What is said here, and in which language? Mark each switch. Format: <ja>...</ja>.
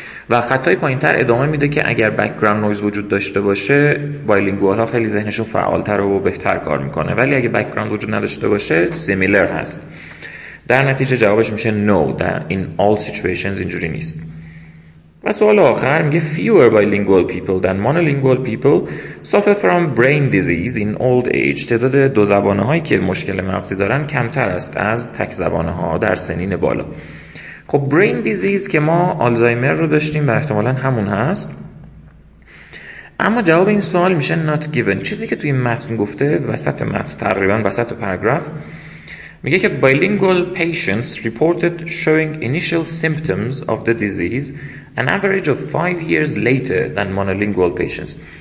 <fa>و خطای پایین تر ادامه میده که اگر بک‌گراند نویز وجود داشته باشه بایلینگوال ها خیلی ذهنشون فعالتر و بهتر کار میکنه، ولی اگه بک‌گراند وجود نداشته باشه سیمیلر هست. در نتیجه جوابش میشه نو، در این</fa> <en>all situations</en> <fa>اینجوری نیست. و سوال آخر میگه</fa> <en>fewer bilingual people than monolingual people suffer from brain disease in old age.</en> <fa>تعداد دو زبانه هایی که مشکل مغزی دارن کمتر است از تک زبانه ها در سنین بالا. خب</fa> <en>brain disease</en> <fa>که ما آلزایمر رو داشتیم و احتمالاً همون هست، اما جواب این سوال میشه</fa> <en>not given.</en> <fa>چیزی که توی متن گفته وسط متن، تقریبا وسط پاراگراف، میگه که</fa> <en>bilingual patients reported showing initial symptoms of the disease an average of 5 years later than monolingual patients.</en>